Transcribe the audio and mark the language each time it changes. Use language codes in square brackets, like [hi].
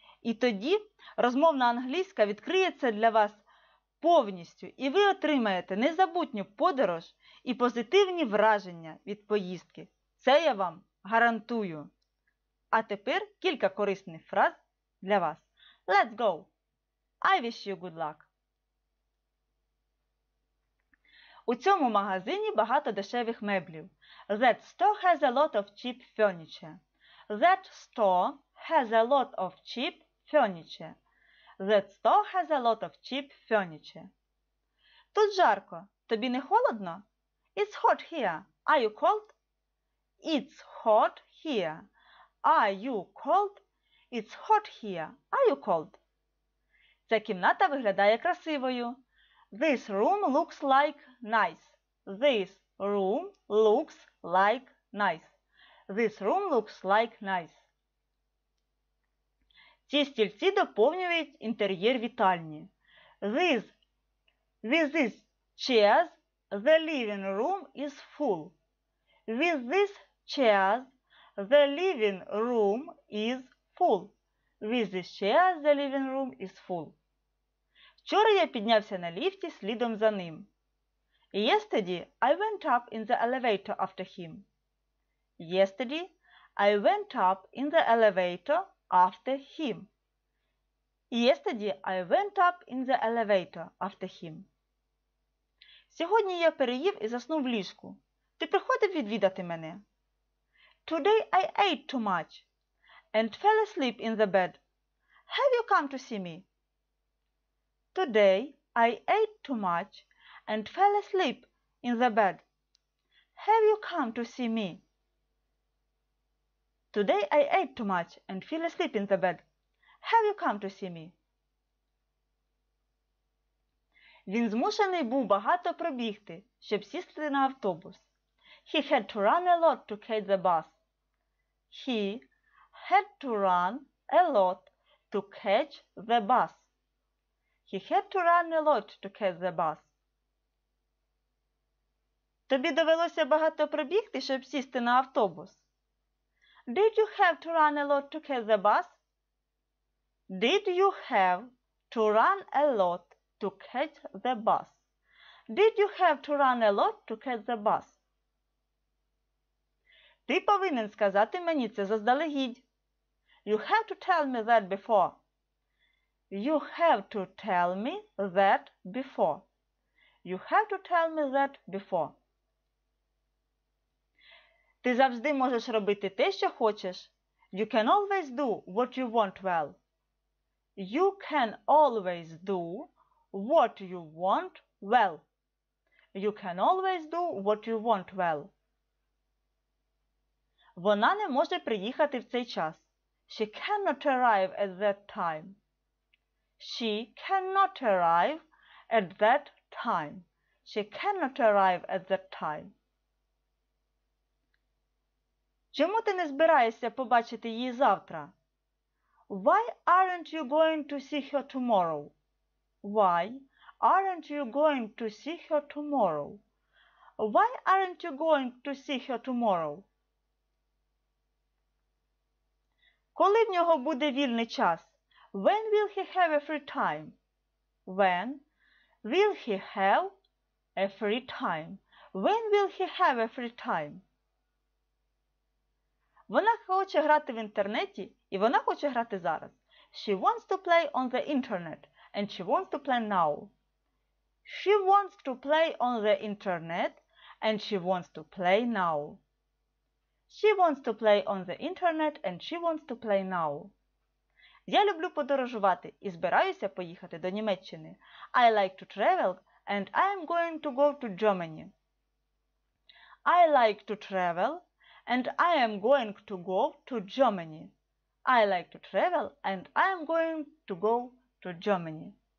[uk] І тоді розмовна англійська відкриється для вас повністю, і ви отримаєте незабутню подорож і позитивні враження від поїздки. Це я вам гарантую. А тепер кілька корисних фраз для вас. [en] Let's go! I wish you good luck! [uk] У цьому магазині багато дешевих меблів. [en] That store has a lot of cheap furniture. That store has a lot of cheap furniture. That store has a lot of cheap furniture. [uk] Тут жарко. Тобі не холодно? [en] It's hot here. Are you cold? It's hot here. Are you cold? It's hot here. Are you cold? [uk] Ця кімната виглядає красивою. [en] This room looks like nice. This room looks like nice. This room looks like nice. [uk] Ці стільці доповнюють інтер'єр вітальні. [en] With these chairs, the living room is full. With these chairs, the living room is full. With these chairs, the living room is full. [uk] Вчора я піднявся на ліфті слідом за ним. [en] Yesterday, I went up in the elevator after him. Yesterday, I went up in the elevator after him. Yesterday I went up in the elevator after him. [uk] Сьогодні я переїв і заснув в ліжку. Ти приходив відвідати мене? [en] Today I ate too much and fell asleep in the bed. Have you come to see me? Today I ate too much and fell asleep in the bed. Have you come to see me? Today I ate too much and fell asleep in the bed. Have you come to see me? [uk] Він змушений був багато пробігти, щоб сісти на автобус. [en] He had to run a lot to catch the bus. He had to run a lot to catch the bus. He had to run a lot to catch the bus. [uk] Тобі довелося багато пробігти, щоб сісти на автобус. [en] Did you have to run a lot to catch the bus? Did you have to run a lot to catch the bus? Did you have to run a lot to catch the bus? [uk] Ти повинен сказати мені це заздалегідь. [en] You have to tell me that before. You have to tell me that before. You have to tell me that before. [uk] Ти завжди можеш робити те, що хочеш. [en] You can always do what you want well. You can always do what you want well. You can always do what you want well. [uk] Вона не може приїхати в цей час. [en] She cannot arrive at that time. She cannot arrive at that time. She cannot arrive at that time. [uk] Чому ти не збираєшся побачити її завтра? [en] Why aren't you going to see her tomorrow? Why aren't you going to see her tomorrow? Why aren't you going to see her tomorrow? [uk] Коли в нього буде вільний час? [en] When will he have a free time? When will he have a free time? When will he have a free time? [uk] Вона хоче грати в інтернеті, і вона хоче грати зараз. [en] She wants to play on the internet, and she wants to play now. She wants to play on the internet, and she wants to play now. She wants to play on the internet and she wants to play now. [uk] Я люблю подорожувати і збираюся поїхати до Німеччини. [en] I like to travel and I am going to go to Germany. I like to travel and I am going to go to Germany. I like to travel and I am going to go to Germany.